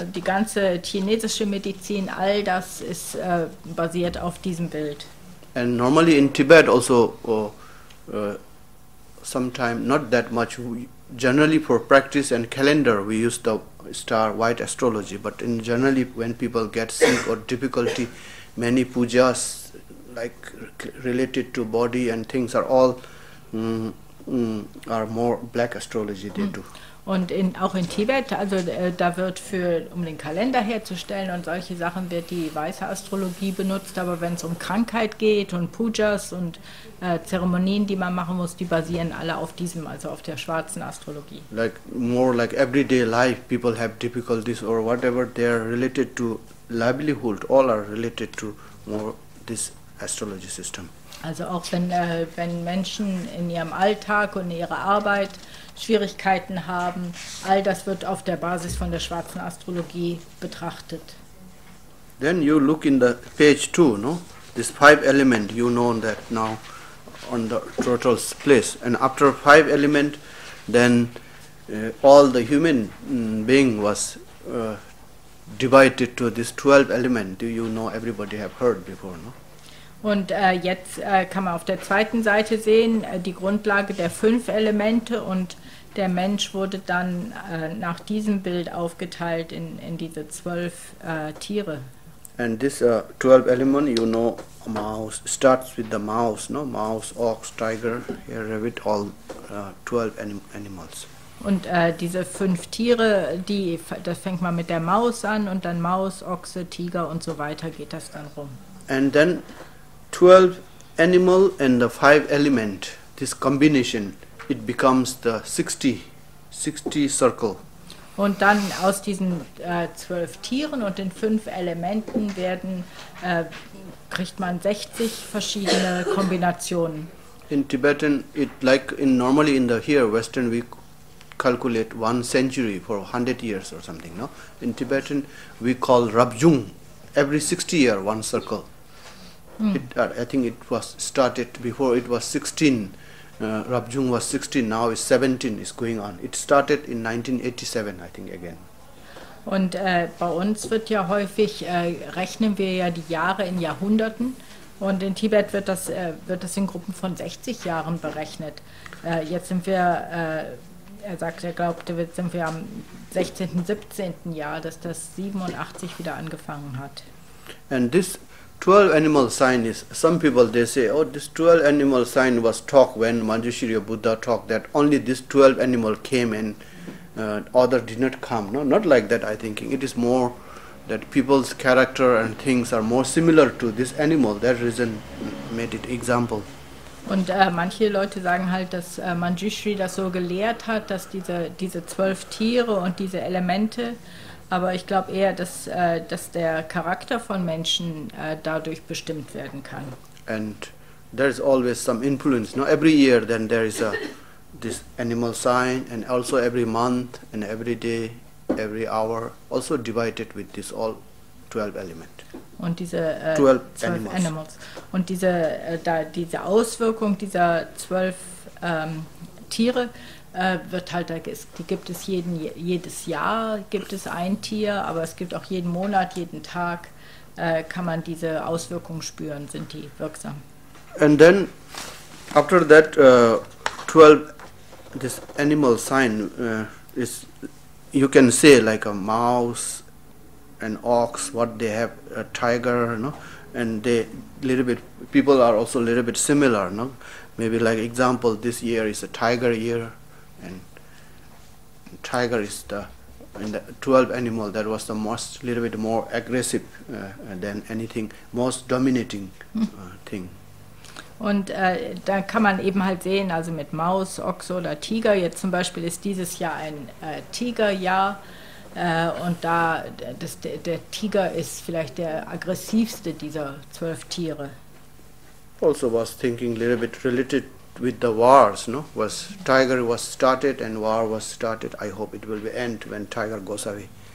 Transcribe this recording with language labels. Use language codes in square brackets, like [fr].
[de] Die ganze chinesische Medizin, all das ist basiert auf diesem Bild. [en] And normally in Tibet also sometimes not that much. Generally for practice and calendar we use the star white astrology, but in generally when people get sick or difficulty, many pujas like related to body and things are all are more black astrology they do. [de] Und in, auch in Tibet, also da wird für, um den Kalender herzustellen und solche Sachen, wird die weiße Astrologie benutzt. Aber wenn es um Krankheit geht und Pujas und Zeremonien, die man machen muss, die basieren alle auf diesem, also auf der schwarzen Astrologie. [en] Like more like everyday life, people have difficulties or whatever, they are related to livelihood, all are related to more this astrology system. [de] Also auch wenn, wenn Menschen in ihrem Alltag und in ihrer Arbeit Schwierigkeiten haben, all das wird auf der Basis von der schwarzen Astrologie betrachtet. [en] Then you look in the page 2, no? This five element, you know that now on the turtle's place. And after five element, then all the human being was divided to this 12 element. Do you know everybody have heard before, no? [de] Und jetzt kann man auf der zweiten Seite sehen, die Grundlage der fünf Elemente, und der Mensch wurde dann nach diesem Bild aufgeteilt in diese 12 Tiere. [en] And this 12 element, you know, a mouse, starts with the mouse, no? Mouse, ox, tiger, here, rabbit, all 12 animals. [de] Und diese fünf Tiere, die, das fängt man mit der Maus an, und dann Maus, Ochse, Tiger und so weiter geht das dann rum. [en] And then 12 animal and the 5 element, this combination, it becomes the 60 circle. [de] Und dann aus diesen 12 Tieren und den 5 Elementen werden, kriegt man 60 verschiedene Kombinationen. [en] In Tibetan, it like in normally in the here Western, we calculate one century for 100 years or something, no? In Tibetan, we call Rabjung, every 60 year one circle. I think it was started before it was 16. Rabjung was 16, now it's 17, it's going on. It started in 1987, I think, again. [de] Und bei uns wird ja häufig, rechnen wir ja die Jahre in Jahrhunderten. Und in Tibet wird das in Gruppen von 60 Jahren berechnet. Jetzt sind wir, er sagt, er glaubt, jetzt sind wir am 16., 17. Jahr, dass das 87 wieder angefangen hat. [en] And this 12 animal sign is, some people they say, oh, this 12 animal sign was talk when Manjushri or Buddha talked, that only this 12 animal came and other did not come. No, not like that, I think. It is more that people's character and things are more similar to this animal. That reason made it example. [de] Und manche Leute sagen halt, dass Manjushri das so gelehrt hat, dass diese 12 Tiere und diese Elemente. Aber ich glaube eher, dass der Charakter von Menschen dadurch bestimmt werden kann. [en] And there is always some influence. No, every year then there is a this animal sign, and also every month and every day, every hour, also divided with this all 12 element. [de] Und diese 12 animals. Und diese diese Auswirkung dieser 12 Tiere. Wird halt, die gibt es jedes Jahr, gibt es ein Tier, aber es gibt auch jeden Monat, jeden Tag, kann man diese Auswirkungen spüren, sind die wirksam. [en] And then, after that 12, this animal sign is, you can say like a mouse, an ox, what they have, a tiger, no? And they little bit, people are also a little bit similar, no? Maybe like example, this year is a tiger year. And tiger is the 12 animal that was the most, little bit more aggressive than anything, most dominating thing. [de] Und da kann man eben halt sehen, also mit Maus, Ochse oder Tiger, jetzt zum Beispiel ist dieses Jahr ein Tigerjahr, und da der Tiger ist vielleicht der aggressivste dieser 12 Tiere. [en] Also was thinking a little bit related with the wars, no? Was tiger was started and war was started. I hope it will be end when tiger goes away.